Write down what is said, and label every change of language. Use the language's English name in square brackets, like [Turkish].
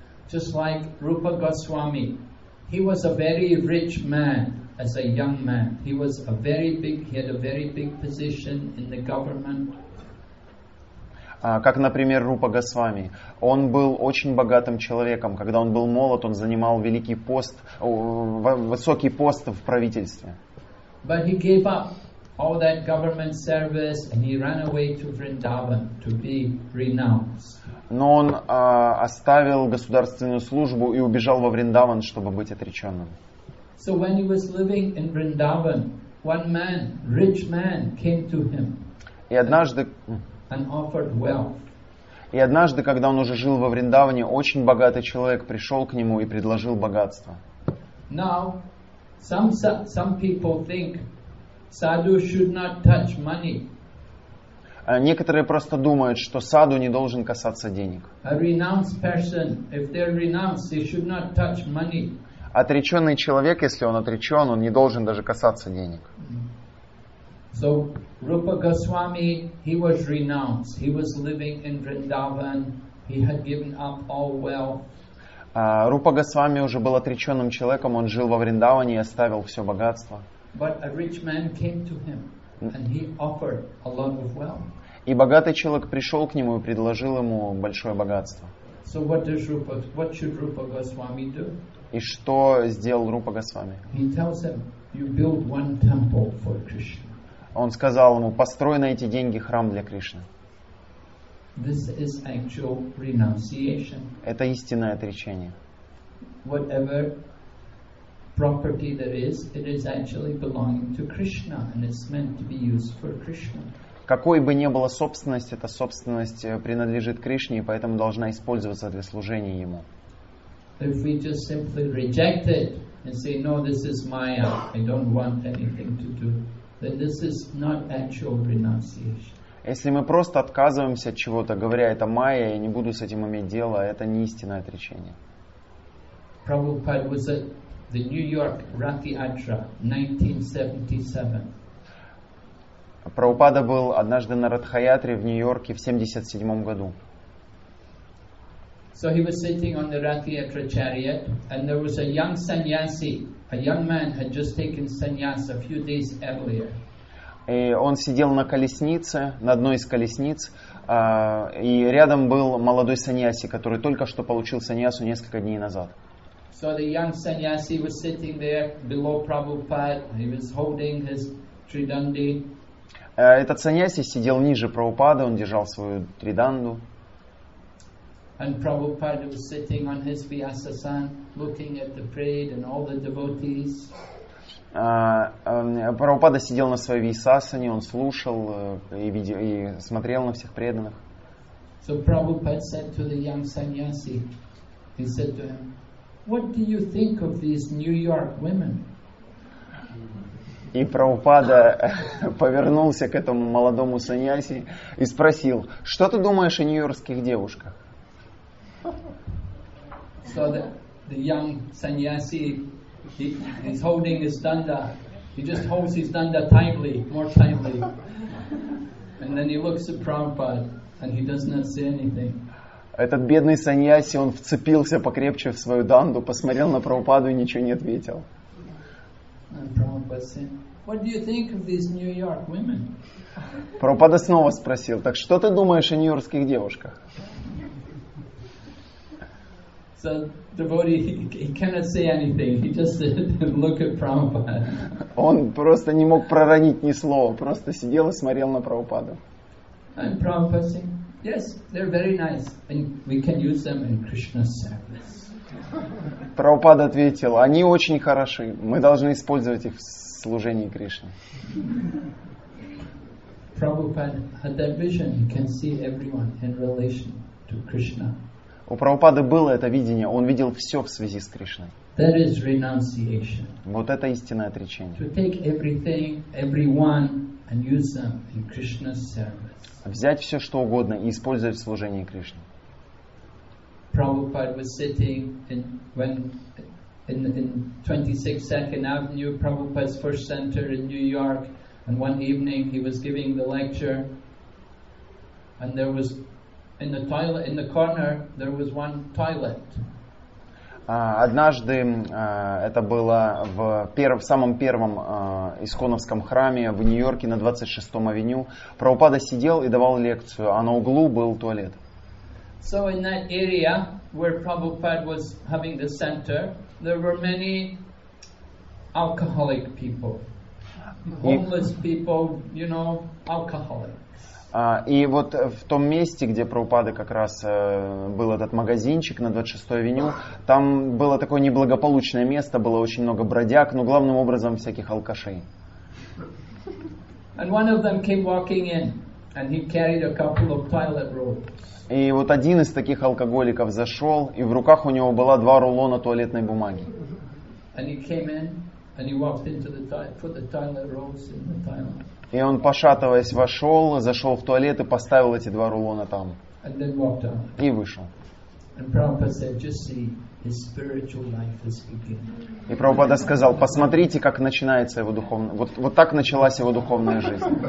[English] Just like Rupa Goswami, He was a very rich man as a young man. He was a very big, he had a very big position in the government. [Russian] Как, например, Рупа Госвами. Он был очень богатым человеком. Когда он был молод, он занимал великий пост, высокий пост в правительстве. [English] But he gave up all that government service and he ran away to Vrindavan to be renounced. [Russian] Но он оставил государственную службу и убежал во Вриндаван, чтобы быть отреченным. [English] So when he was living in Vrindavan, one man, rich man, came to him. [Russian] И однажды [English] and offered wealth. [Russian] И однажды, когда он уже жил во Вриндаване, очень богатый человек пришел к нему и предложил богатство. [English] Now, some people think sadhu should not touch money. [Russian] Некоторые просто думают, что саду не должен касаться денег. [English] A renounced person, if they're renounced, they should not touch money. [Russian] Отреченный человек, если он отречен, он не должен даже касаться денег. [English] So Rupa Goswami, he was renounced. He was living in Vrindavan. He had given up all wealth. [Russian] Рупа Госвами уже был отреченным человеком. Он жил во Вриндаване и оставил все богатство. [English] But a rich man came to him, and he offered a lot of wealth. [Russian] И богатый человек пришел к нему и предложил ему большое богатство. [English] So what does Rupa, what should Rupa Goswami do? [Russian] И что сделал Рупа Госвами? [English] He tells him, you build one temple for Krishna. [Russian] Он сказал ему, построй на эти деньги храм для Кришны. [English] This is actual renunciation. [Russian] Это истинное отречение. [English] Whatever property there is, it is actually belonging to Krishna and it's meant to be used for Krishna. [Russian] Какой бы ни была собственность, эта собственность принадлежит Кришне и поэтому должна использоваться для служения Ему. [English] If we just simply reject it and say, no, this is Maya, I don't want anything to do, then this is not actual renunciation. [Russian] Если мы просто отказываемся от чего-то, говоря, это Майя, я не буду с этим иметь дело, это не истинное отречение. [English] Prabhupada was at the New York Rathi Atra, 1977. [Russian] Прабхупада был однажды на Ратхаятре в Нью-Йорке в 77 году. [English] So he was sitting on the Rathi Atra chariot and there was a young sannyasi. A young man had just taken sannyas a few days earlier. [Russian] И он сидел на колеснице, на одной из колесниц, и рядом был молодой саньяси, который только что получил саньясу несколько дней назад. [English] So the young sannyasi was sitting there below Prabhupada. He was holding his tridandi. [Russian] Этот саньяси сидел ниже Прабхупады, он держал свою триданду. [English] And Prabhupada was sitting on his Vyasasan, looking at the parade and all the devotees. [Russian] Прабхупада сидел на своей Висасане, он слушал и смотрел на всех преданных. [English] So Prabhupada said to the young sannyasi, he said to him, what do you think of these New York women? [Russian] И Прабхупада повернулся к этому молодому саньяси и спросил, что ты думаешь о нью-йоркских девушках? [English] So the young sannyasi, he's holding his danda. He just holds his danda tightly, more tightly. And then he looks at Prabhupada, and he does not say anything. [Russian] Этот бедный саньяси, он вцепился покрепче в свою данду, посмотрел на Прабхупаду и ничего не ответил. [English] And Prabhupada said, what do you think of these New York women? [Russian] Прабхупада снова спросил, так что ты думаешь о нью-йоркских девушках? [English] So devotee, he cannot say anything. He just looked at Prabhupada. [Russian] Он просто не мог проронить ни слова. Просто сидел и смотрел на Прабхупаду. [English] And Prabhupada saying, yes, they're very nice, and we can use them in Krishna's service. [Russian] Прабхупада ответил, они очень хороши. Мы должны использовать их в служении Кришне. [English] Prabhupada had that vision. He can see everyone in relation to Krishna. [Russian] У Прабхупады было это видение. Он видел все в связи с Кришной. [English] That is renunciation. [Russian] Вот это истинное отречение. [English] To take everything, everyone, and use them in Krishna's service. [Russian] Взять все, что угодно, и использовать в служении Кришне. [English] Prabhupada was sitting in 22nd Avenue, Prabhupada's first center in New York, and one evening he was giving the lecture, and there was in the toilet, in the corner, there was one toilet. [Russian] Однажды это было в самом первом исконовском храме в Нью-Йорке на 26-м авеню. Прабхупада сидел и давал лекцию, а на углу был туалет. So in that area where Prabhupada was having the center, there were many alcoholic people, homeless people, you know, alcoholic. И вот в том месте, где Прабхупада как раз был этот магазинчик на 26-й авеню, там было такое неблагополучное место, было очень много бродяг, но главным образом всяких алкашей. And one of them came walking in, and he carried a couple of toilet rolls. И вот один из таких алкоголиков зашел, и в руках у него было два рулона туалетной бумаги. And he came in, and he walked into the put the toilet rolls in the toilet. И он, пошатываясь, зашел в туалет и поставил эти два рулона там. И вышел. И Прабхупада сказал, посмотрите, как начинается его духовная... Вот так началась его духовная жизнь.